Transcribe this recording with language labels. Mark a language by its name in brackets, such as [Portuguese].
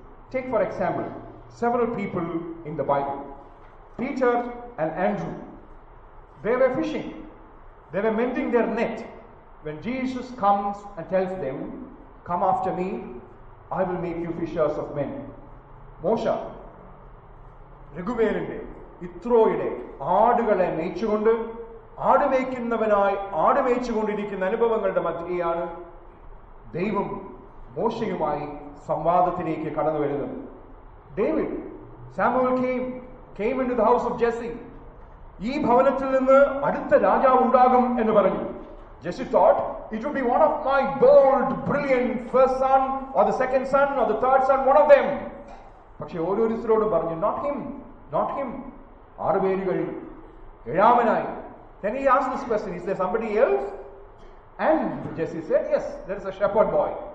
[English] Take for example several people in the Bible. Peter and Andrew, they were fishing, they were mending their net when Jesus comes and tells them, come after me, I will make you fishers of men. [Malayalam] Moshe, രഘുവേലിന്റെ ഇത്രോയുടെ ആടുകളെ മേയ്ച്ചുകൊണ്ട് ആടുമേയ്ക്കുന്നവനായി ആടുമേയിച്ചുകൊണ്ടിരിക്കുന്ന അനുഭവങ്ങളുടെ മധ്യയാണ് ദൈവം മോശയുമായി സംവാദത്തിലേക്ക് കടന്നു വരുന്നത്. [English] David, Samuel came in to the house of Jesse, [Malayalam] ഈ ഭവനത്തിൽ നിന്ന് അടുത്ത രാജാവ് ഉണ്ടാകും എന്ന് പറഞ്ഞു. [English] Jesse thought it would be one of my bold brilliant first son or the second son or the third son, one of them. [Malayalam] പക്ഷെ ഓരോരുത്തരോടും പറഞ്ഞു, [English] Not him, not him. [Malayalam] ആറുപേര് കഴിഞ്ഞു, ഏഴാമനായി. [English] Then he asked this question, is there somebody else? And Jesse said, yes, there is a shepherd boy.